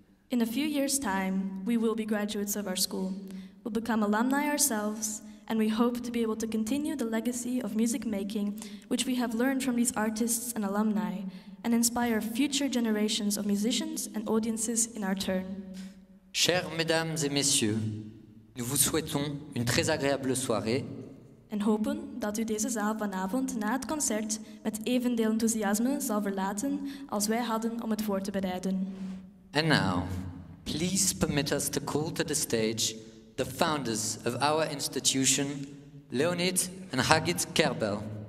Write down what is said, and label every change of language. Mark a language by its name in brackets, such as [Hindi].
[English] In a few years' time, we will be graduates of our school. We'll become alumni ourselves, and we hope to be able to continue the legacy of music making, which we have learned from these artists and alumni, and inspire future generations of musicians and audiences in our turn. [French] Chers mesdames et messieurs, nous vous souhaitons une très agréable soirée. [Dutch] En hopen dat u deze zaal vanavond na het concert met evenveel enthousiasme zal verlaten als wij hadden om het voor te bereiden. [English] And now, please permit us to call to the stage the founders of our institution, Leonid and Hagit Kerbel.